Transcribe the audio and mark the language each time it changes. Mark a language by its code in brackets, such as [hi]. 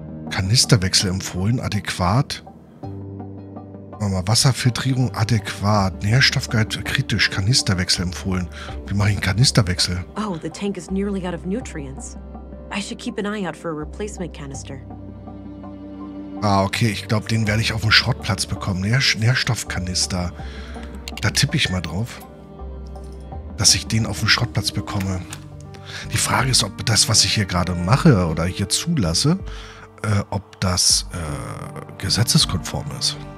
[de] Kanisterwechsel empfohlen, adäquat. Warte mal, Wasserfiltrierung adäquat. Nährstoffgehalt kritisch, Kanisterwechsel empfohlen. Wie mache ich einen Kanisterwechsel? [en] Oh, the tank is nearly out of nutrients. I should keep an eye out for a replacement canister. [de] Ah, okay, ich glaube, den werde ich auf dem Schrottplatz bekommen. Nährstoffkanister. Da tippe ich mal drauf, dass ich den auf dem Schrottplatz bekomme. Die Frage ist, ob das, was ich hier gerade mache oder hier zulasse, ob das gesetzeskonform ist.